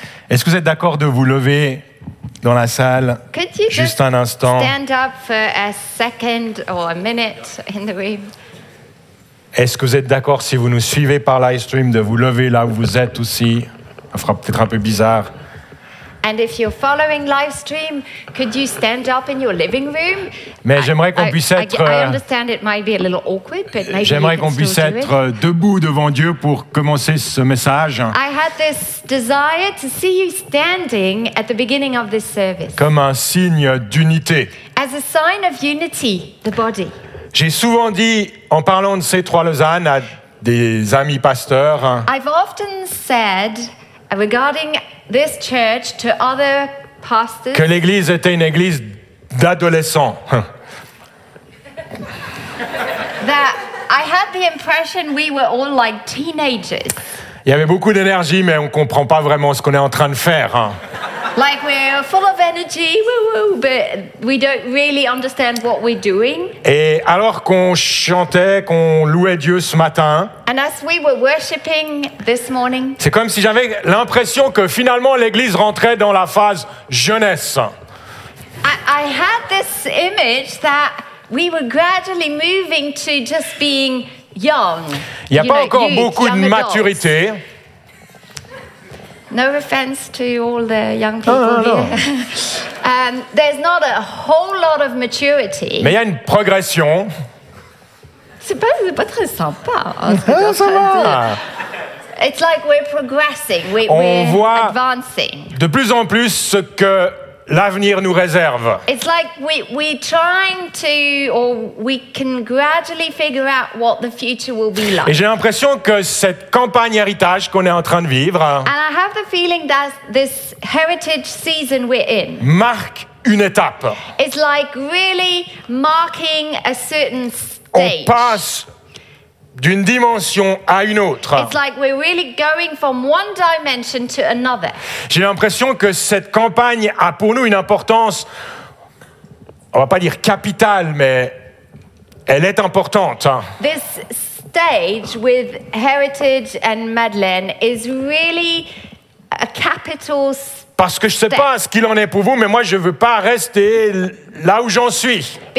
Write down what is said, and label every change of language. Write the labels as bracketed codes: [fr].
[fr] Est-ce que vous êtes d'accord de vous lever dans la salle juste un instant? [en] Stand up for a second or a minute in the room. [fr] Est-ce que vous êtes d'accord, si vous nous suivez par live stream, de vous lever là où vous êtes aussi? Ça fera peut-être un peu bizarre. [en] And if you're following live stream, could you stand up in your living room? [fr] Mais j'aimerais qu'on puisse être. [en] I understand it might be a little awkward, but maybe. [fr] J'aimerais qu'on puisse être debout devant Dieu pour commencer ce message. [en] I had this desire to see you standing at the beginning of this service. [fr] Comme un signe d'unité. [en] As a sign of unity, the body. [fr] J'ai souvent dit, en parlant de ces trois Lausanne à des amis pasteurs. [en] I've often said regarding this church to other pastors, [fr] que l'église était une église d'adolescents. [en] That I had the impression we were all like teenagers. [fr] Il y avait beaucoup d'énergie, mais on comprend pas vraiment ce qu'on est en train de faire. [en] Like we're full of energy, but we don't really understand what we're doing. [fr] Et alors qu'on chantait, qu'on louait Dieu ce matin. [en] And as we were worshiping this morning. [fr] C'est comme si j'avais l'impression que finalement l'église rentrait dans la phase jeunesse. [en] I had this image that we were gradually moving to just being young. [fr] Il y a pas encore beaucoup de maturité. [en] No offense to all the young people here. There's not a whole lot of maturity. [fr] Mais il y a une progression. C'est pas très sympa. Ça va. [en] It's like we're progressing. We're advancing. [fr] De plus en plus ce que l'avenir nous réserve. [en] It's like we're trying to, or we can gradually figure out what the future will be like. [fr] Et j'ai l'impression que cette campagne héritage qu'on est en train de vivre. [en] And I have the feeling that this heritage season we're in [fr] marque une étape. [en] It's like really marking a certain stage. [fr] On passe d'une dimension à une autre. [en] It's like we're really going from one dimension to another. [fr] J'ai l'impression que cette campagne a pour nous une importance, on va pas dire capitale, mais elle est importante. [en] This stage with Heritage and Madeleine is really a capital stage. [fr] Parce que je ne sais pas ce qu'il en est pour vous, mais moi, je ne veux pas rester là où j'en suis.